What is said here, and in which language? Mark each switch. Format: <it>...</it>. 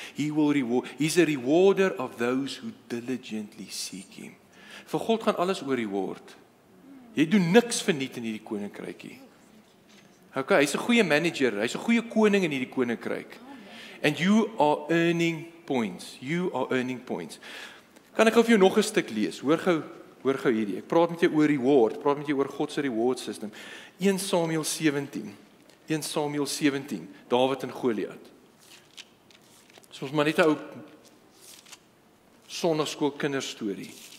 <en>He will reward, he's a rewarder of those who diligently seek him.</en> <af>Vir God gaan alles oor reward. Jy doen niks verniet in die koninkrykie. Ok, hy is een goeie manager, hy is een goeie koning in die koninkryk.</af> <en>And you are earning points. You are earning points.</en> <af>Kan ek vir jou nog een stuk lees? Hoor gou hierdie. Ek praat met jou oor reward, praat met jou oor God se reward system. 1 Samuel 17. 1 Samuel 17, David en Goliath. Dis ons maar net 'n ou sonnaarskool kinderstorie.</af>